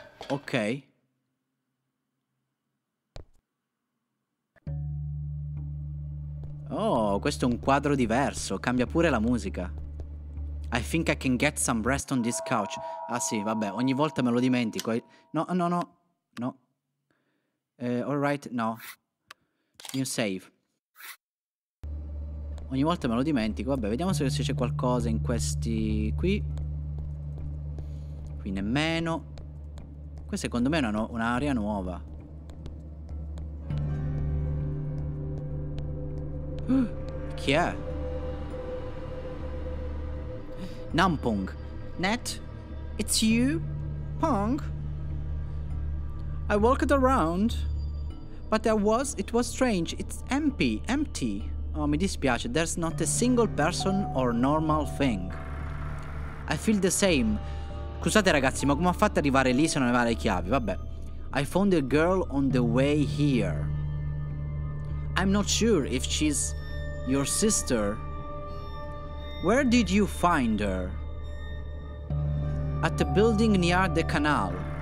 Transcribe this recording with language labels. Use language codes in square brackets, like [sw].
[it] Ok. Oh, questo è un quadro diverso. Cambia pure la musica. [en] I think I can get some rest on this couch. [it] Ah sì, vabbè, ogni volta me lo dimentico. [en] No, no, no. No. Alright, no. New save. [it] Ogni volta me lo dimentico. Vabbè, vediamo se c'è qualcosa in questi qui. Qui nemmeno. Questa secondo me è un'area nuova. Chi è? [en] Nampong. Net? It's you? Pong? I walked around. But it was strange. It's empty. Empty. [it] Oh, mi dispiace. [en] There's not a single person or normal thing. I feel the same. [it] Scusate ragazzi, ma come ha fatto ad arrivare lì se non aveva le chiavi? Vabbè. [en] I found a girl on the way here. I'm not sure if she's your sister. Where did you find her? At the building near the canal.